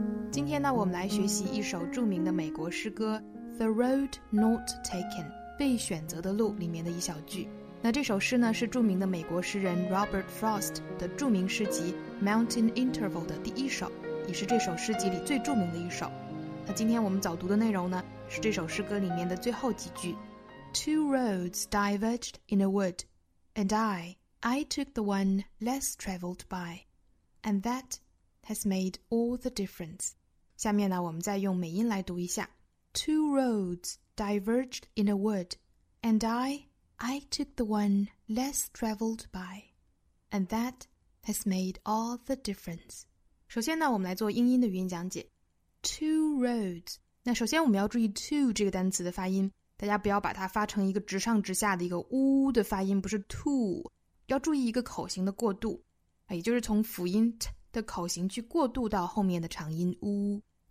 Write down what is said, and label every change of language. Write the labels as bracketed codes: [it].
[zh] 今天呢，我们来学习一首著名的美国诗歌《The Road Not Taken》被选择的路里面的一小句。那这首诗呢，是著名的美国诗人 Robert Frost 的著名诗集《Mountain Interval》的第一首，也是这首诗集里最著名的一首。那今天我们早读的内容呢，是这首诗歌里面的最后几句。 [en] Two roads diverged in a wood, and I took the one less traveled by, and that has made all the difference. [zh] 下面呢，我们再用美音来读一下。 [en] Two roads diverged in a wood, and I took the one less traveled by, and that has made all the difference. [zh] 首先呢，我们来做英音的语音讲解。 [en] Two roads. [zh] 那首先我们要注意 two 这个单词的发音。大家不要把它发成一个直上直下的一个呜的发音，不是 to， 要注意一个口型的过渡，也就是从辅音 t 的口型去过渡到后面的长音呜。